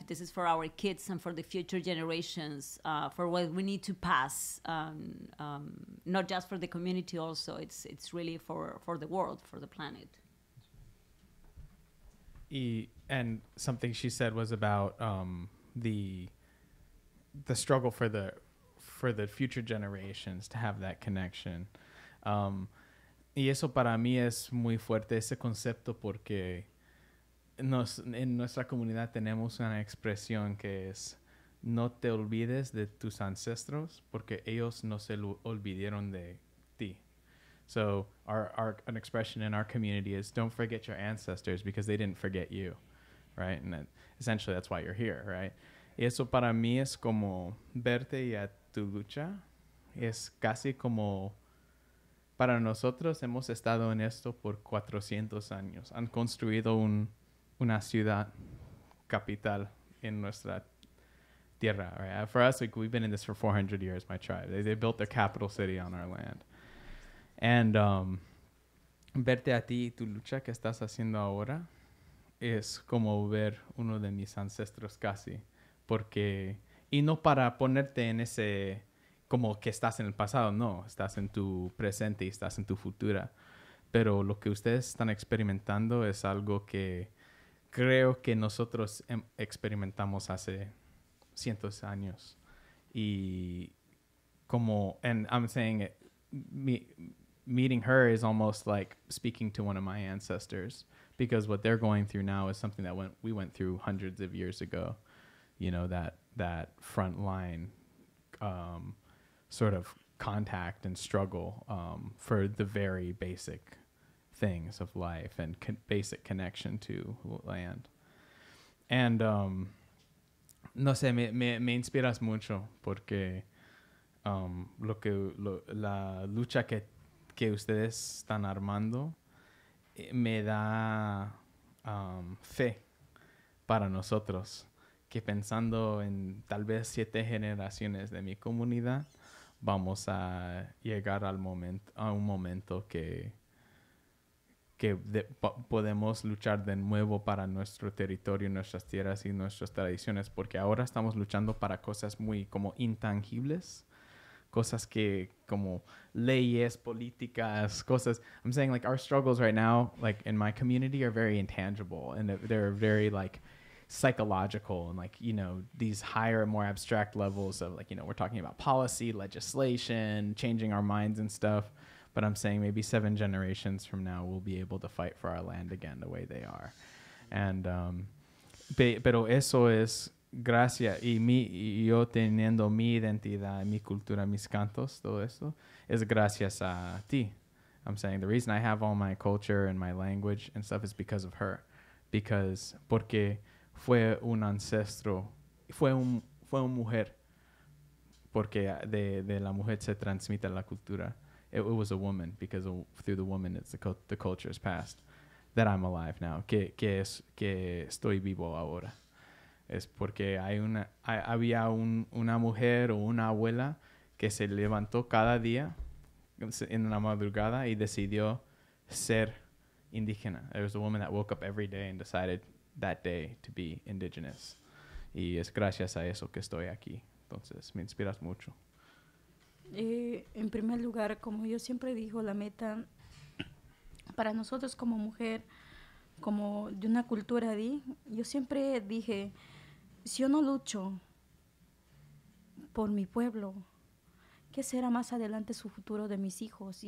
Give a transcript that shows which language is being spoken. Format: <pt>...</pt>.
<en>This is for our kids and for the future generations, for what we need to pass, not just for the community also. It's really for the world, for the planet. And something she said was about the struggle for the future generations to have that connection.</en> <es>Y eso para mí es muy fuerte, ese concepto, porque en nuestra comunidad tenemos una expresión que es no te olvides de tus ancestros porque ellos no se olvidaron de ti.</es> <en>So an expression in our community is don't forget your ancestors because they didn't forget you, right? And essentially that's why you're here, right?</en> <es>Y eso para mí es como verte y a tu lucha. Es casi como... Para nosotros hemos estado en esto por 400 años. Han construido una ciudad capital en nuestra tierra.</es> <en>Right? For us, like, we've been in this for 400 years, my tribe. They built their capital city on our land.</en> <es>And verte a ti y tu lucha que estás haciendo ahora es como ver uno de mis ancestros casi. Porque, y no para ponerte en ese... como que estás en el pasado, no, estás en tu presente y estás en tu futura. pero lo que ustedes están experimentando es algo que creo que nosotros experimentamos hace cientos de años. Y como,</es> <en>and I'm saying it, meeting her is almost like speaking to one of my ancestors, because what they're going through now is something that we went through hundreds of years ago. You know, that front line sort of contact and struggle for the very basic things of life and basic connection to land.</en> <es>And no sé, me inspiras mucho porque la lucha que ustedes están armando me da fe para nosotros, que pensando en tal vez 7 generaciones de mi comunidad, vamos a llegar a un momento que podemos luchar de nuevo para nuestro territorio, nuestras tierras y nuestras tradiciones, porque ahora estamos luchando para cosas muy como intangibles, cosas que como leyes, políticas, cosas.</es> <en>I'm saying like our struggles right now, like in my community, are very intangible and they're very like psychological and like, you know, these higher, more abstract levels of like, you know, we're talking about policy, legislation, changing our minds and stuff. But I'm saying maybe 7 generations from now, we'll be able to fight for our land again the way they are. And,</en> <es>pero eso es gracias. Y yo teniendo mi identidad, mi cultura, mis cantos, todo eso, es gracias a ti.</es> <en>I'm saying the reason I have all my culture and my language and stuff is because of her. Because,</en> <es>porque fue un ancestro, fue un mujer. Porque de la mujer se transmite la cultura.</es> <en>It was a woman, because through the woman, it's the culture's past, that I'm alive now.</en> <es>Que estoy vivo ahora. Es porque había una mujer o una abuela que se levantó cada día en la madrugada y decidió ser indígena.</es> <en>There was a woman that woke up every day and decided that day to be indigenous.</en> <es>Y es gracias a eso que estoy aquí. Entonces, me inspiras mucho. En primer lugar, como yo siempre digo, la meta para nosotros como mujer, como de una cultura, yo siempre dije, si yo no lucho por mi pueblo, ¿qué será más adelante su futuro de mis hijos?</es>